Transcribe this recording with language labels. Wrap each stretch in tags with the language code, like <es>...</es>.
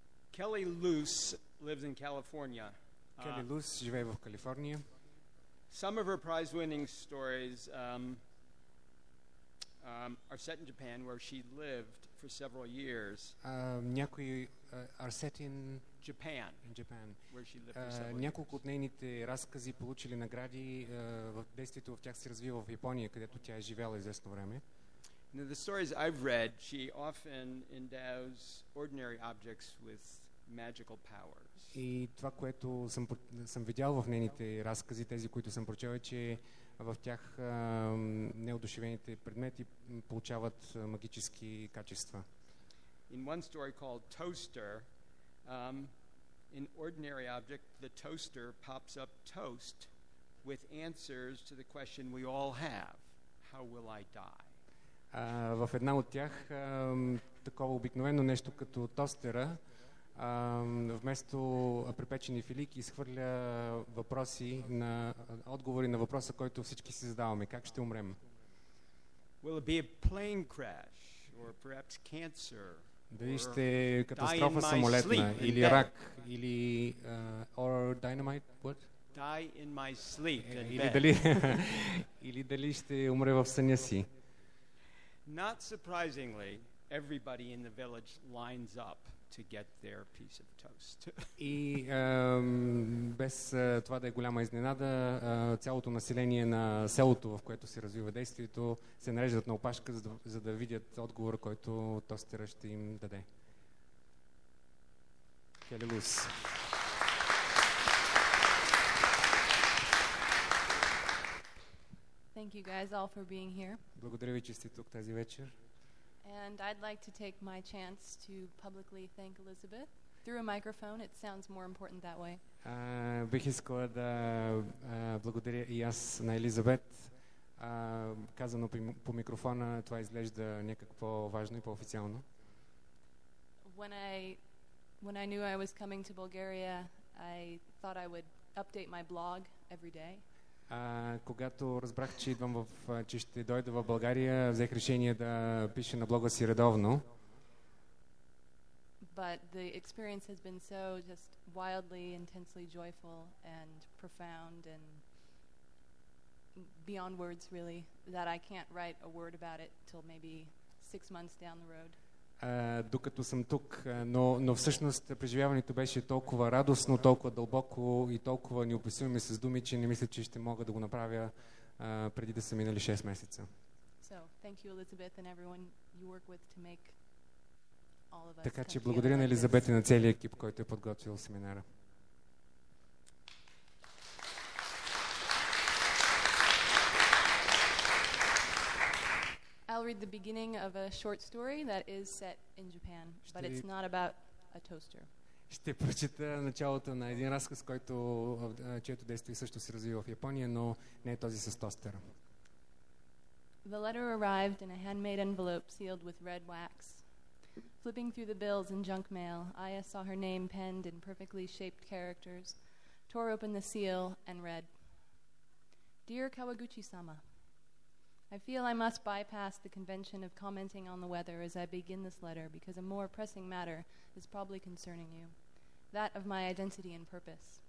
<en>Kelly Luce lives in California.</en> <bg>Kelly Luce живее в Калифорния.</bg> <en>Some of her prize-winning stories are set in Japan, where she lived for several years.</en> <bg>Някои</bg> <en>are set in Japan. In Japan, where she lived for several years.</en> <bg>Няколко от нейните разкази получили награди. Действието в тях се развива в Япония, където тя е живяла известно време.</bg> <en>Now, the stories I've read, she often endows ordinary objects with magical powers.</en> <bg>И това, което съм видял в нейните разкази, тези, които съм прочел, е, че в тях неодушевените предмети получават магически качества.</bg> <en>In one story called Toaster, an ordinary object, the toaster pops up toast with answers to the question we all have: how will I die?</en> <bg>В една от тях такова обикновено нещо като тостера вместо препечени филики изхвърля въпроси на отговори на въпроса, който всички си задаваме: как ще умрем?</bg> <en>Will it be a plane crash or perhaps cancer?</en> <bg>Дали ще е катастрофа самолетна или рак или</bg> <en>or dynamite what? Die in my sleep.</en> <bg>Или дали или дали ще умре в съня си.</bg> <en>Not surprisingly, everybody in the village lines up to get their piece of toast.</en> <bg>И без това да е голяма изненада, цялото население на селото, в което се развива действието, се нареждат на опашка, за да видят отговор, който тостера ще им даде. Хелелус.</bg> <en>Thank you guys all for being here.</en> <bg>Благодаря ви, че сте тук тази вечер.</bg> <en>And I'd like to take my chance to publicly thank Elizabeth through a microphone. It sounds more important that way.</en> <bg>Бих искала да благодаря и аз на Елизабет. Казано по микрофона, това изглежда някак по-важно и по-официално.</bg> <en>When I knew I was coming to Bulgaria, I thought I would update my blog every day.</en> <bg>Когато разбрах, че идвам че ще дойда в България, взех решение да пиша на блога си редовно.</bg> <en>But the experience has been so just wildly, intensely joyful and profound and beyond words really that I can't write a word about it till maybe 6 months down the road.</en> <bg>Докато съм тук, но всъщност преживяването беше толкова радостно, толкова дълбоко и толкова неописуемо с думи, че не мисля, че ще мога да го направя преди да са минали 6 месеца.</bg> <en>So, thank you, Elizabeth, and everyone you work with to make all of us.</en> <bg>Така че благодаря на Елизабет и на целия екип, който е подготвил семинара.</bg> <en>I'll read the beginning of a short story that is set in Japan, but it's not about a toaster.</en> <bg>Ще прочета началото на един разказ, който чието действие също се развива в Япония, но не е този с тостера.</bg> <en>The letter arrived in a handmade envelope sealed with red wax. Flipping through the bills and junk mail, Aya saw her name penned in perfectly shaped characters, tore open the seal and read, "Dear Kawaguchi-sama, I feel I must bypass the convention of commenting on the weather as I begin this letter because a more pressing matter is probably concerning you, that of my identity and purpose.</en>